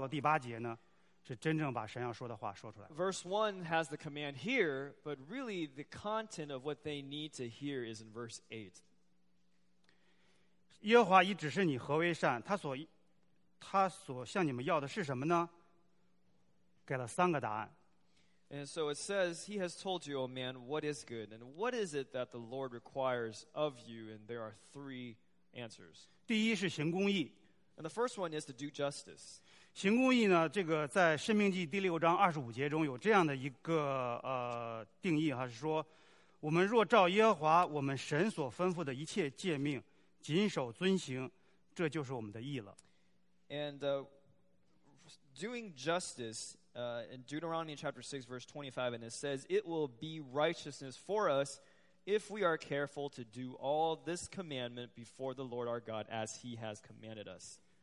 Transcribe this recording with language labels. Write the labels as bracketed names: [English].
[Chinese] 第一节的时候是让他们引起听这个争辩，但到了第八节呢，是真正把神要说的话说出来。 [English] Verse 1 has the command here, but really the content of what they need to hear is in verse 8. [Chinese] 耶和华已指示你何为善，他所向你们要的是什么呢？给了三个答案。 [English] And so it says, He has told you, O man, what is good, and what is it that the Lord requires of you? And there are three answers. [Chinese] 第一是行公义。 [English] And the first one is to do justice. [Chinese] 行公义呢, 这个在申命记第六章25节中有这样的一个定义哈, 是说, 我们若照耶和华我们神所吩咐的一切诫命, 谨守遵行, 这就是我们的义了。 [English] Doing justice in Deuteronomy chapter 6, verse 25, and it says, It will be righteousness for us if we are careful to do all this commandment before the Lord our God as He has commanded us.